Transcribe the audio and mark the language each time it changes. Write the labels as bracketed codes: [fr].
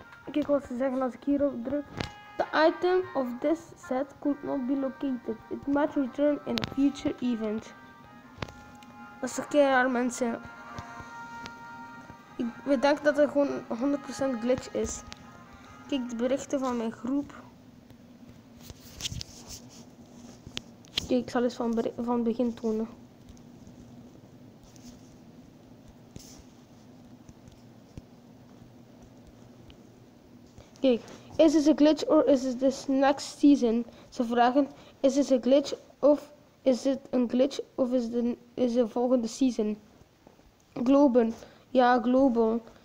[nl] Kijk wat ze zeggen als ik hierop druk. [en] The item of this set could not be located. It might return in a future event. [nl] Dat is een keer raar, mensen. Ik denk dat het gewoon 100% glitch is. Kijk de berichten van mijn groep. Kijk, ik zal eens van het begin tonen. [en] Kijk, is this a glitch or is it this next season? [nl] Ze vragen, [en] is this a glitch of... [nl] Is het een glitch of is het volgende season? Global. Ja, global.